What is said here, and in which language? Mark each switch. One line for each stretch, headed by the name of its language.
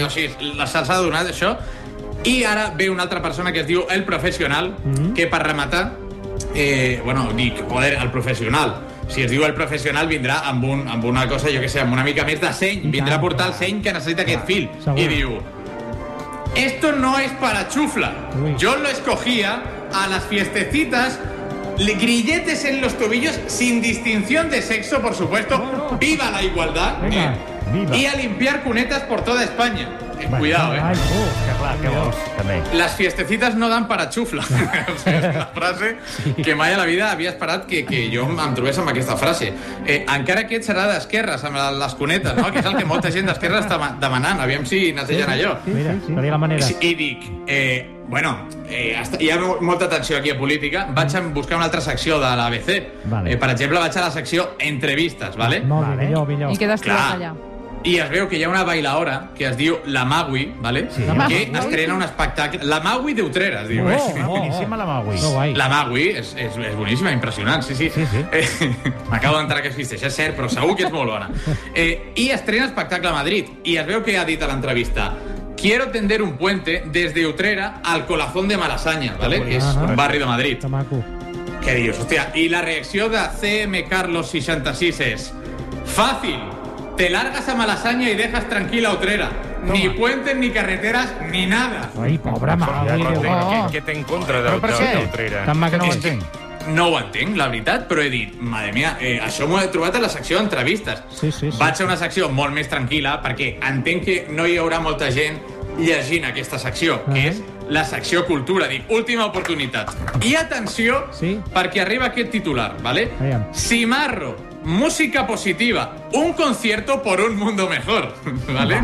Catalan: O sigui, se'ls ha donat això. I ara ve una altra persona que es diu El Professional, que per rematar... El Professional. Si es diu El Professional, vindrà amb una cosa, jo què sé, amb una mica més de seny. Vindrà a portar el seny que necessita aquest fil. Segur.
Spanish: I diu... Esto no es para chufla. Yo lo escogía a las fiestecitas, grilletes en los tobillos, sin distinción de sexo, por supuesto. ¡Viva la igualdad! Venga, viva. Y a limpiar cunetas por toda España. Cuidado, ¿eh? Ay, que vos, las fiestecitas no dan para chufla. O sea,
Catalan: es una frase que mai a la vida havia esperat que jo em trobés amb aquesta frase. Encara que et serà d'esquerres, amb les cunetes, no? Que és el que molta gent d'esquerres està demanant. Aviam si netegen allò. Mira, la manera. I dic, hi ha molta tensió aquí a política. Vaig a buscar una altra secció de l'ABC. Vale. Per exemple, vaig a la secció entrevistes, vale? Molt bé, millor. I quedes tirat allà. I es veu que hi ha una bailaora que es diu La Magui, ¿vale? Sí. Que estrena un espectacle... La Magui d'Utrera, es diu. Oh, boníssima, La Magui. La Magui és boníssima, impressionant, sí, sí. Sí, sí. M'acabo d'entrar que existeix, és cert, però segur que és molt bona. I estrena espectacle a Madrid. I es veu que ha dit a l'entrevista... Quiero tender un puente desde Utrera al corazón de Malasaña, ¿vale? Que és un barri de Madrid. Que dius, hòstia. I la reacció de CM Carlos 66 és... Fàcil!
Spanish: Te largas a Malasaña y dejas tranquila Utrera. Toma. Ni puentes, ni carreteras, ni nada. Ay, pobra madre. ¿Qué te encuentras de Utrera?
Catalan: Tan mal que no ho entenc. No ho entenc, la veritat, però he dit,
Spanish: madre mía,
Catalan: això m'ho he trobat a la secció d'entrevistes. Sí, sí, sí. Vaig a una secció molt més tranquil·la, perquè entenc que no hi haurà molta gent llegint aquesta secció, que és la secció cultura. Dic, última oportunitat. I atenció, perquè arriba aquest titular, ¿vale? Cimarro.
Spanish: Música positiva, un concierto por un mundo mejor, ¿vale?